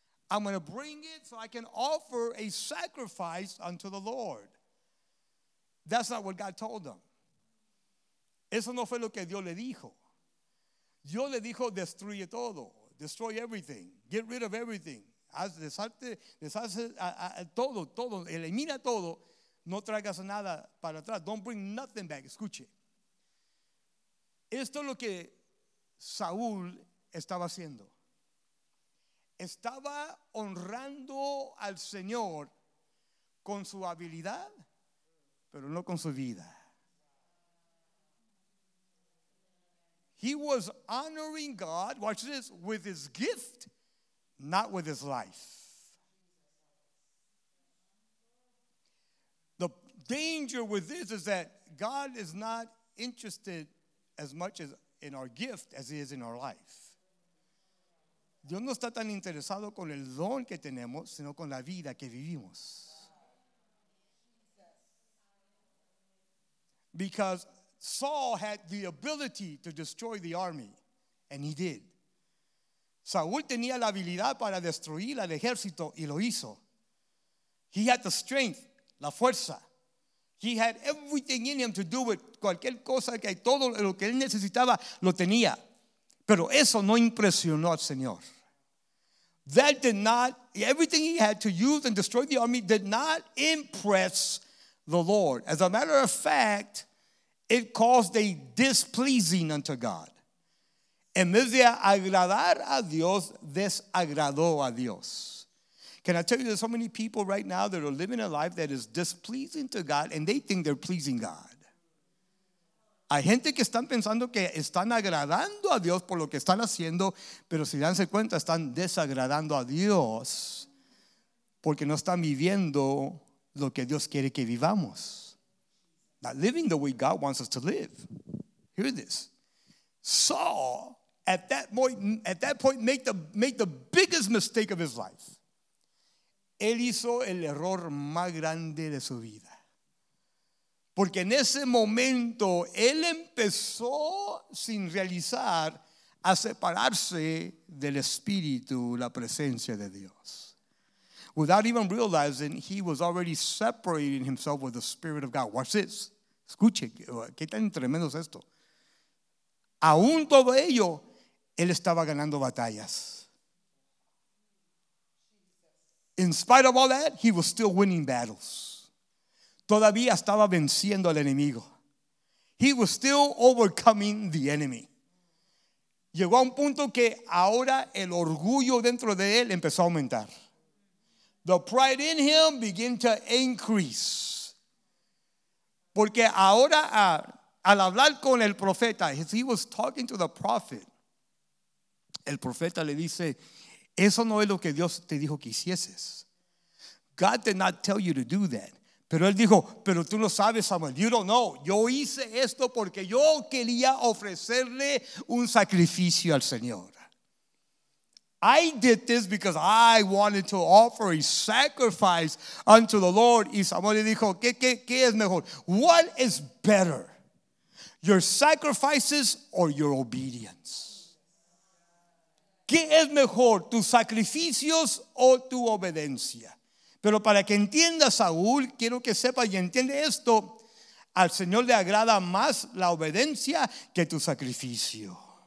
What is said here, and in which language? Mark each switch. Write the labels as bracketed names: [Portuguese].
[English] I'm going to bring it so I can offer a sacrifice unto the Lord. That's not what God told him. [Spanish] Eso no fue lo que Dios le dijo. Dios le dijo, destruye todo, [English] destroy everything, get rid of everything. [Spanish] Deshace todo, elimina todo. No traigas nada para atrás. [English] Don't bring nothing back. [Spanish] Escuche. Esto es lo que Saúl estaba haciendo. Estaba honrando al Señor con su habilidad, pero no con su vida. [English] He was honoring God, watch this, with his gift, not with his life. The danger with this is that God is not interested as much as in our gift as he is in our life. [Spanish] Dios no está tan interesado con el don que tenemos, sino con la vida que vivimos. [English] Because Saul had the ability to destroy the army, and he did. [Spanish] Saúl tenía la habilidad para destruir al ejército, y lo hizo. [English] He had the strength, [Spanish] la fuerza. [English] He had everything in him to do it. [Spanish] Cualquier cosa que hay, todo lo que él necesitaba, lo tenía. Pero eso no impresionó al Señor. [English] That did not, everything he had to use and destroy the army did not impress the Lord. As a matter of fact, it caused a displeasing unto God. [Spanish] En vez de agradar a Dios, desagradó a Dios. [English] Can I tell you, there's so many people right now that are living a life that is displeasing to God, and they think they're pleasing God. [Spanish] Hay gente que están pensando que están agradando a Dios por lo que están haciendo, pero si danse cuenta, están desagradando a Dios porque no están viviendo lo que Dios quiere que vivamos. [English] Not living the way God wants us to live. Hear this. Saul, at that point, made the biggest mistake of his life. [Spanish] Él hizo el error más grande de su vida. Porque en ese momento, él empezó sin realizar a separarse del Espíritu, la presencia de Dios. [English] Without even realizing, he was already separating himself with the Spirit of God. Watch this. [Spanish] Escuche, qué tan tremendo es esto. Aún todo ello, él estaba ganando batallas. [English] In spite of all that, he was still winning battles. [Spanish] Todavía estaba venciendo al enemigo. [English] He was still overcoming the enemy. [Spanish] Llegó a un punto que ahora el orgullo dentro de él empezó a aumentar. [English] The pride in him began to increase. [Spanish] Porque ahora al hablar con el profeta, [English] as he was talking to the prophet, [Spanish] el profeta le dice, eso no es lo que Dios te dijo que hicieses. [English] God did not tell you to do that. [Spanish] Pero él dijo, pero tú no sabes, Samuel, [English] you don't know. [Spanish] Yo hice esto porque yo quería ofrecerle un sacrificio al Señor. [English] I did this because I wanted to offer a sacrifice unto the Lord. [Spanish] Y Samuel le dijo, ¿qué es mejor? [English] What is better, your sacrifices or your obedience? [Spanish] ¿Qué es mejor, tus sacrificios o tu obediencia? Pero para que entiendas, Saúl, quiero que sepas y entiende esto, al Señor le agrada más la obediencia que tu sacrificio.